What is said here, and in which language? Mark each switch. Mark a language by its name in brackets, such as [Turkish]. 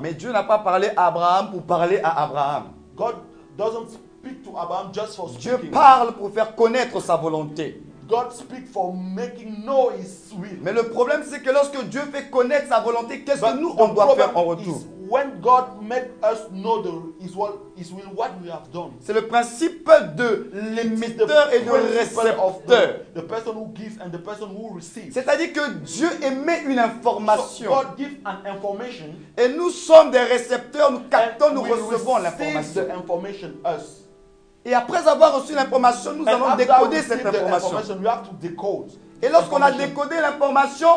[French] Mais Dieu n'a pas parlé à Abraham pour parler à Abraham. [English] God doesn't speak to Abraham just for speaking. [French] Dieu parle pour faire connaître sa volonté. [English] God speak for making know his will. [French] Mais le problème, c'est que lorsque Dieu fait connaître sa volonté, qu'est-ce que nous on doit faire en retour? [English] When God make us know the his will, what we have done. [French] C'est le principe de l'émetteur et du récepteur. [English] The person who gives and the person who receives. [French] C'est-à-dire que Dieu émet une information. [English] So God give an information. [French] Et nous sommes des récepteurs, nous captons, nous recevons l'information. [English] The information us. [French] Et après avoir reçu l'information, nous [English] and [French] allons décoder cette information. [English] We have to decode. [French] Et lorsqu'on a décodé l'information,